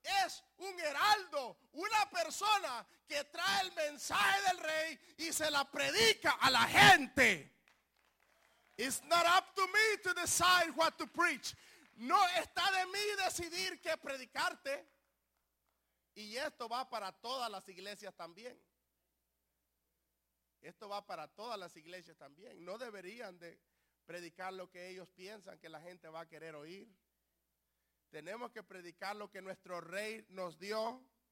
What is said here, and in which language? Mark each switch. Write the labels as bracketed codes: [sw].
[es] Es un heraldo, una persona que trae el mensaje del rey y se la predica a la gente. [en] It's not up to me to decide what to preach. [es] No está de mí decidir qué predicarte. Y esto va para todas las iglesias también. Esto va para todas las iglesias también. No deberían de predicar lo que ellos piensan que la gente va a querer oír. Tenemos que predicar lo que nuestro rey nos dio.